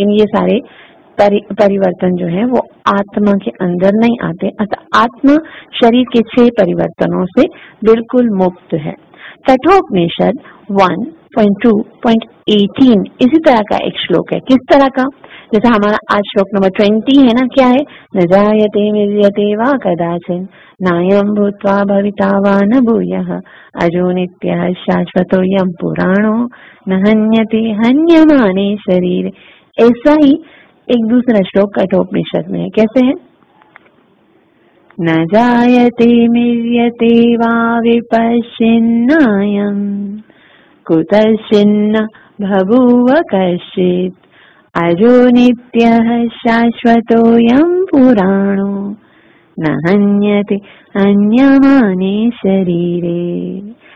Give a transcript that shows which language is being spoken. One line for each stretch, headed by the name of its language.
Hindi: लेकिन ये सारे परिवर्तन जो है वो आत्मा के अंदर नहीं आते, अतः आत्मा शरीर के 6 परिवर्तनों से बिल्कुल मुक्त है। कठोपनिषद 1.2.18 इसी तरह का एक श्लोक है। किस तरह का? जैसा हमारा आज श्लोक नंबर 20 है ना, क्या है?
Sanskrit: न जायते विद्यते वा कदाचन नायं भूत्वा भविता वा न भूयः अजो नित्यः शाश्वतो यम पुराणो न हन्यते हन्यमाने शरीर।
Hindi: ऐसा ही एक दूसरा श्लोक कठोपनिषद में है। कैसे है?
Sanskrit: न जायते मिर्यते वा विपश्चिन्नायं कुतश्चिन्न भभूव कश्चित् अजो नित्यः शाश्वतो यम पुराणो न हन्यते हन्यमाने शरीरे।